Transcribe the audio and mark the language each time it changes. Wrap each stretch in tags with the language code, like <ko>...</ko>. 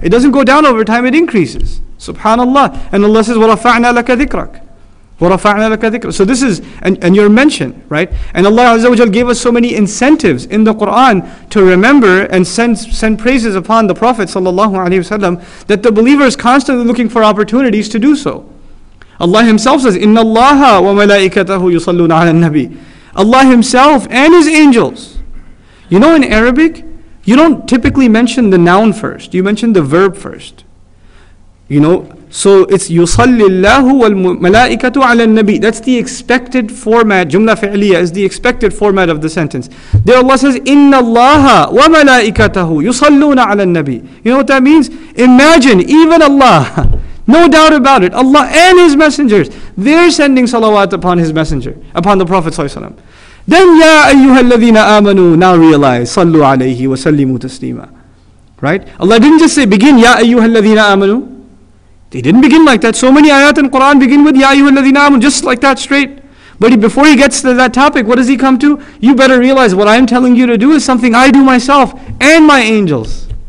<en>It doesn't go down over time, it increases. Subhanallah. And Allah says,</en> <ar>وَرَفَعْنَا لَكَ ذِكْرَكَ. وَرَفَعْنَا لَكَ ذِكْرَكَ.</ar> <en>So this is, and your mention, right? And Allah Azza wa Jal gave us so many incentives in the Quran to remember and send praises upon the Prophet sallallahu alayhi wa sallam, that the believer is constantly looking for opportunities to do so. Allah Himself says,</en> <ar>إِنَّ اللَّهَ وَمَلَائِكَتَهُ يُصَلُّونَ عَلَى النَّبِي.</ar> <en>Allah Himself and His angels. You know, in Arabic, you don't typically mention the noun first. You mention the verb first. You know, so it's</en> <ar>يُصَلِّ اللَّهُ وَالْمَلَائِكَةُ عَلَى النَّبِيِّ.</ar> <en>That's the expected format.</en> <ar>جُمْلَة فِعْلِيَة</ar> <en>is the expected format of the sentence. There Allah says,</en> <ar>إِنَّ اللَّهَ وَمَلَائِكَتَهُ يُصَلُّونَ عَلَى النَّبِيِّ.</ar> <en>You know what that means? Imagine, even Allah, no doubt about it, Allah and His messengers, they're sending salawat upon His messenger, upon the Prophet ﷺ.</en> <ar>Then, يَا أَيُّهَا الَّذِينَ آمَنُوا</ar> <en>now realize,</en> <ar>صَلُّوا عَلَيْهِ وَسَلِّمُوا تَسْلِيمًا.</ar> <en>Right? Allah didn't just say, begin,</en> <ar>يَا أَيُّهَا الَّذِينَ آمَنُوا.</ar> <en>They didn't begin like that. So many ayat in Quran begin with, يَا أَيُّهَا الَّذِينَ آمَنُوا, just like that, straight. But before he gets to that topic, what does he come to? You better realize, what I'm telling you to do is something I do myself and my angels.</en>